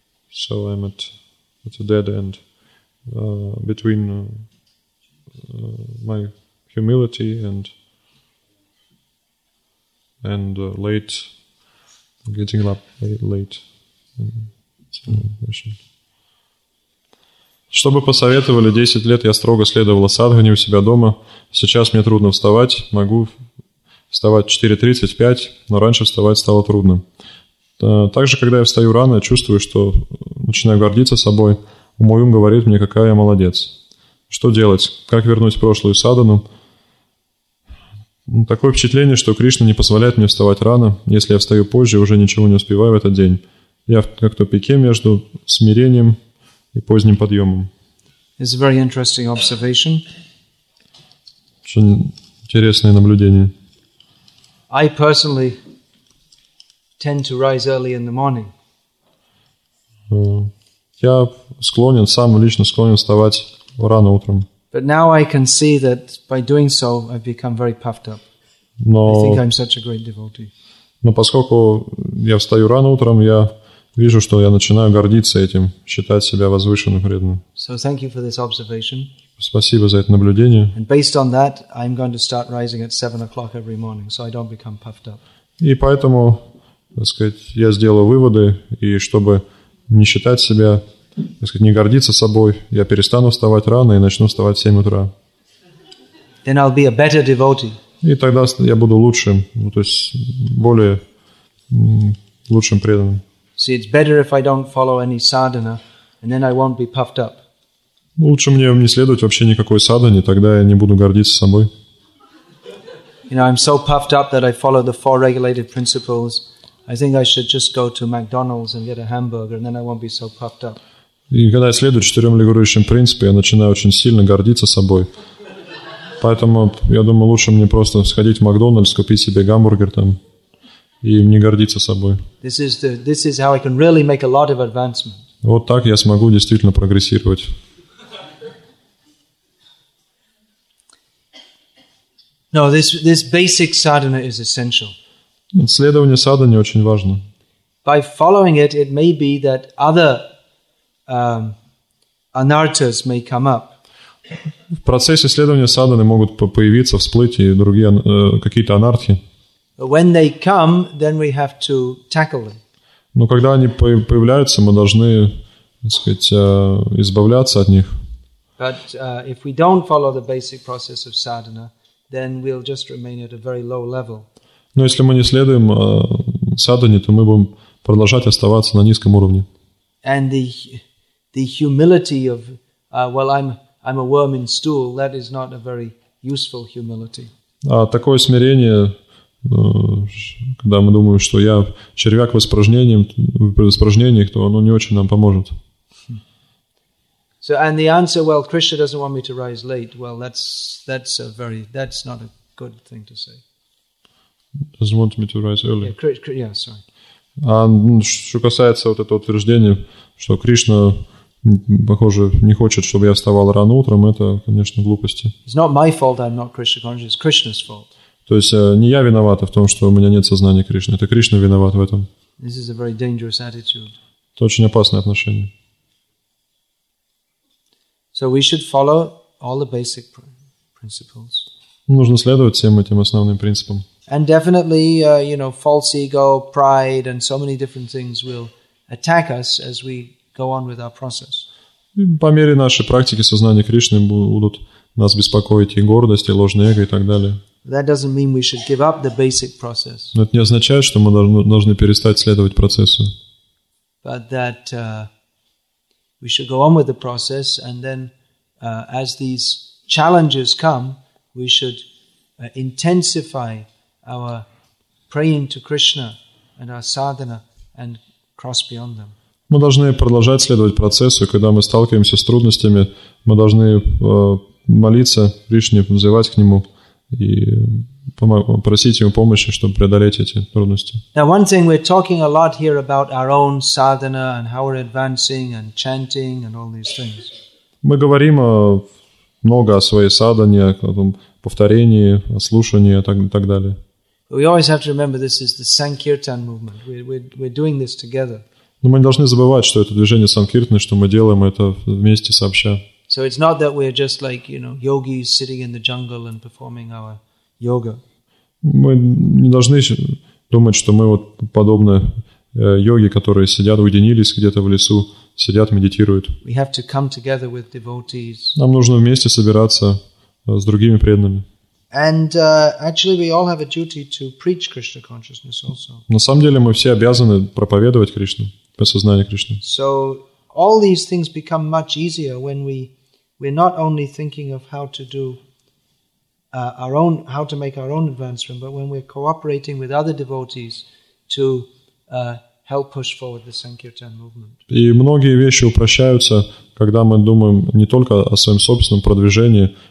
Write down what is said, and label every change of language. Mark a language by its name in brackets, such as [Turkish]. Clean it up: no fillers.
[English] So I'm at a dead end. Between my humility and late, getting up late. [Russian] Что бы посоветовали? 10 лет я строго следовала садхане у себя дома. Сейчас мне трудно вставать. Могу вставать 4:35, но раньше вставать стало трудно. Также, когда я встаю рано, я чувствую, что начинаю гордиться собой. Мой ум говорит мне, какая я молодец. Что делать? Как вернуть прошлую садхану? Такое впечатление, что Кришна не позволяет мне вставать рано. Если я встаю позже, уже ничего не успеваю в этот день. Я как в тупике между смирением и поздним подъемом. [English] It's a very interesting observation. [Russian] Очень интересное наблюдение. [English] I personally tend to rise early in the morning. [Russian] Я склонен, сам лично склонен вставать рано утром. [English] But now I can see that by doing so, I've become very puffed up. [Russian] Но, [English] I think I'm such a great devotee. [Russian] Но поскольку я встаю рано утром, я вижу, что я начинаю гордиться этим, считать себя возвышенным преданным. [English] So thank you for this observation. [Russian] Спасибо за это наблюдение. [English] And based on that, I'm going to start rising at 7 o'clock every morning, so I don't become puffed up. [Russian] И поэтому, так сказать, я сделаю выводы, и чтобы не считать себя, так сказать, не гордиться собой, я перестану вставать рано и начну вставать в 7 утра. [English] Then I'll be a better devotee. [Russian] И тогда я буду лучшим, ну, то есть более лучшим преданным. [English] See, it's better if I don't follow any sadhana, and then I won't be puffed up. [Russian] Лучше мне не следовать вообще никакой садхане, тогда я не буду гордиться собой. [English] You know, I'm so puffed up that I follow the 4 regulated principles. I think I should just go to McDonald's and get a hamburger, and then I won't be so puffed up. [Russian] И когда я следую 4 регулирующим принципам, я начинаю очень сильно гордиться собой. Поэтому я думаю, лучше мне просто сходить в Макдональдс, купить себе гамбургер там и не гордиться собой. [English] This is how I can really make a lot of advancement. [Russian] Вот так я смогу действительно прогрессировать. [English] No, this basic sadhana is essential. [Russian] Следование садхане очень важно. [English] By following it, it may be that other anarthas may come up. [Russian] В процессе следования садхане могут появиться, всплыть и другие какие-то анархи. [English] When they come, then we have to tackle them. [Russian] Но когда они появляются, мы должны, так сказать, избавляться от них. [English] But if we don't follow the basic process of sadhana, then we'll just remain at a very low level. [Russian] Но если мы не следуем садхане, то мы будем продолжать оставаться на низком уровне. [English] And the humility of well, I'm a worm in stool, that is not a very useful humility. [Russian] А такое смирение, когда мы думаем, что я червяк в испражнениях, то оно не очень нам поможет. [English] So and the answer, well, Krishna doesn't want me to rise late. Well, that's not a good thing to say. Doesn't want me to rise early. Yeah, sorry. [Russian] А что касается вот этого утверждения, что Кришна, похоже, не хочет, чтобы я вставал рано утром, это, конечно, глупости. [English] It's not my fault I'm not Krishna conscious. It's Krishna's fault. [Russian] То есть не я виновата в том, что у меня нет сознания Кришны. Это Кришна виноват в этом. [English] This is a very dangerous attitude. [Russian] Это очень опасное отношение. [English] So we should follow all the basic principles. [Russian] Нужно следовать всем этим основным принципам. [English] And definitely, you know, false ego, pride, and so many different things will attack us as we go on with our process. [Russian] И по мере нашей практики сознания Кришны будут нас беспокоить и гордость, и ложное эго, и так далее. [English] That doesn't mean we should give up the basic process. [Russian] Но это не означает, что мы должны перестать следовать процессу. [English] But that we should go on with the process, and then as these challenges come, we should intensify our praying to Krishna and our sadhana and cross beyond them. [Russian] Мы должны продолжать следовать процессу, когда мы сталкиваемся с трудностями, мы должны молиться Кришне, взывать к Нему и просить Ему помощи, чтобы преодолеть эти трудности. [English] Now one thing, we're talking a lot here about our own sadhana and how we're advancing and chanting and all these things. [Russian] Мы говорим много о своей садхане, о том повторении, о слушании и так далее. [English] But we always have to remember this is the Sankirtan movement. We're doing this together. [Russian] Но мы не должны забывать, что это движение санкиртны, что мы делаем это вместе, сообща. [English] So it's not that we're just like, you know, yogis sitting in the jungle and performing our yoga. [Russian] Мы не должны думать, что мы вот подобно йоги, которые сидят, уединились где-то в лесу, сидят, медитируют. [English] We have to come together with devotees. [Russian] Нам нужно вместе собираться с другими преданными. [English] And actually, we all have a duty to preach Krishna consciousness also. [Russian] На самом деле, мы все обязаны проповедовать Кришну, осознание Кришны. [English] So all these things become much easier when we're not only thinking of how to do our own, how to make our own advancement, but when we're cooperating with other devotees to help push forward the Sankirtan movement. [Russian] И многие вещи упрощаются, когда мы думаем не только о своем собственном продвижении.